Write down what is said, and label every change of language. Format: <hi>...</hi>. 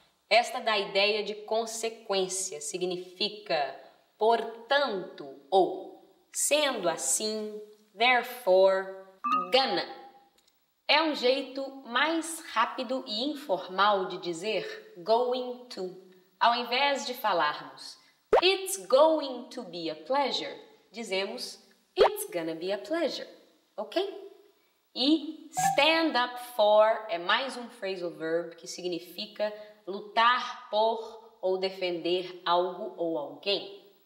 <pt>Esta da ideia de consequência significa portanto ou sendo assim, therefore, gonna. É um jeito mais rápido e informal de dizer going to. Ao invés de falarmos</pt> <en>it's going to be a pleasure,</en> <pt>dizemos</pt> <en>it's gonna be a pleasure,</en> <pt>ok? E stand up for é mais um phrasal verb que significa lutar por ou defender algo ou alguém.</pt>